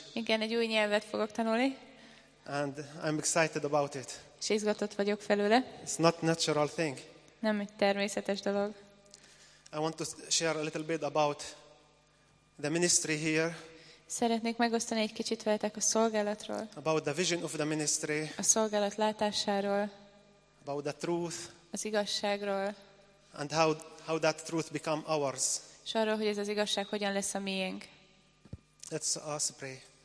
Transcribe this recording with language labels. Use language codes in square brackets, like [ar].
[hu] Igen, egy új nyelvet fogok tanulni. [en] And I'm excited about it. [hu] És izgatott vagyok felőle. [en] It's not natural thing. [hu] Nem egy természetes dolog. [en] I want to share a little bit about the ministry here. [hu] Szeretnék megosztani egy kicsit veletek a szolgálatról. [en] About the vision of the ministry. [hu] A szolgálat látásáról. [en] About the truth. [hu] Az igazságról. [en] And how that truth become ours. [hu] És arról, hogy ez az igazság hogyan lesz a miénk. [en] Let's us pray.